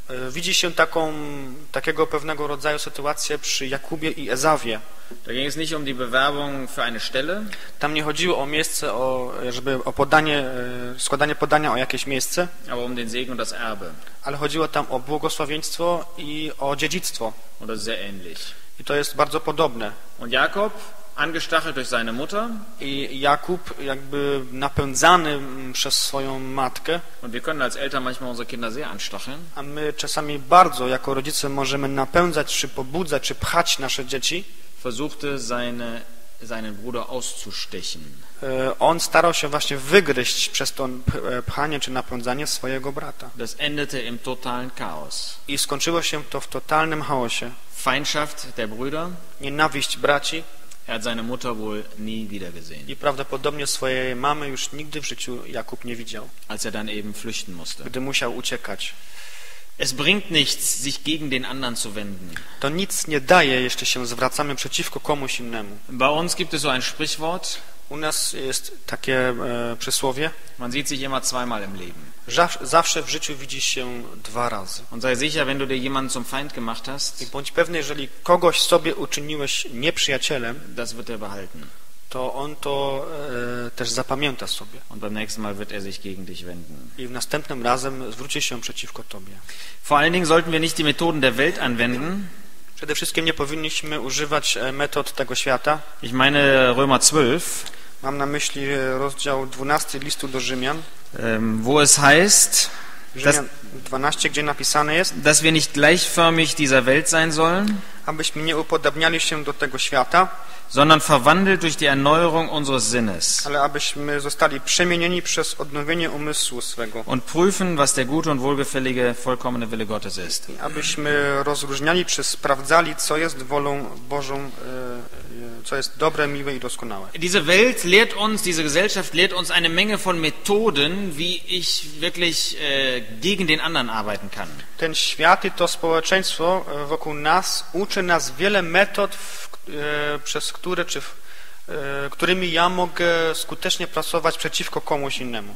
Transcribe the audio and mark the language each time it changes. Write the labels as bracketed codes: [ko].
[pl] Widzi się takiego pewnego rodzaju sytuację przy Jakubie i Ezawie. [de] Da ging es nicht um die Bewerbung für eine Stelle. [pl] Tam nie chodziło o miejsce, o podanie, składanie podania o jakieś miejsce. [de] Aber um den Segen und das Erbe. [pl] Ale chodziło tam o błogosławieństwo i o dziedzictwo. [de] Und das ist sehr ähnlich. [pl] I to jest bardzo podobne. [de] Und Jakob, angestachelt durch seine Mutter. [pl] I Jakub jakby napędzany przez swoją matkę. [de] Und wir können als Eltern manchmal unsere Kinder sehr anstacheln. [pl] A my czasami bardzo jako rodzice możemy napędzać, czy pobudzać, czy pchać nasze dzieci. [de] Versuchte seinen Bruder auszustechen. [pl] On starał się właśnie wygryźć przez to pchanie czy napędzanie swojego brata. [de] Das endete im totalen Chaos. [pl] I skończyło się to w totalnym chaosie. [de] Feindschaft der Brüder. [pl] Nienawiść braci. [de] Er hat seine Mutter wohl nie wieder gesehen. [pl] I prawdopodobnie swojej mamy już nigdy w życiu Jakub nie widział. [de] Als er dann eben flüchten musste. [pl] Gdy musiał uciekać. [de] Es bringt nichts, sich gegen den anderen zu wenden. [pl] To nic nie daje, jeśli się zwracamy przeciwko komuś innemu. [de] Bei uns gibt es so ein Sprichwort. [pl] U nas jest takie przysłowie. [de] Man sieht sich immer zweimal im Leben. [pl] Zawsze w życiu widzi się dwa razy. [de] Und sei sicher, wenn du dir jemanden zum Feind gemacht hast. [pl] I bądź pewny, jeżeli kogoś sobie uczyniłeś nieprzyjacielem, [de] das wird er behalten. [pl] To on to też zapamięta sobie. [de] Und beim nächsten Mal wird er sich gegen dich wenden. [pl] I w następnym razem zwróci się przeciwko tobie. [de] Vor allen Dingen sollten wir nicht die Methoden der Welt anwenden. [pl] Przede wszystkim nie powinniśmy używać metod tego świata. [de] Ich meine Römer 12. [pl] Mam na myśli rozdział 12 listu do Rzymian. [de] Wo es heißt, [pl] Rzymian 12, gdzie napisane jest, [de] dass wir nicht gleichförmig dieser Welt sein sollen, [pl] abyśmy nie upodabniali się do tego świata, [de] sondern verwandelt durch die Erneuerung unseres Sinnes. [pl] Ale abyśmy zostali przemienieni przez odnowienie umysłu swego. [de] Und prüfen, was der gute und wohlgefällige, vollkommene Wille Gottes ist. [pl] Abyśmy rozróżniali, czy sprawdzali, co jest wolą Bożą, co jest dobre, miłe i doskonałe. [de] Diese Welt lehrt uns, diese Gesellschaft lehrt uns eine Menge von Methoden, wie ich wirklich gegen den anderen arbeiten kann. [pl] Ten świat i to społeczeństwo wokół nas uczy nas wiele metod, przez które czy którymi ja mogę skutecznie pracować przeciwko komuś innemu.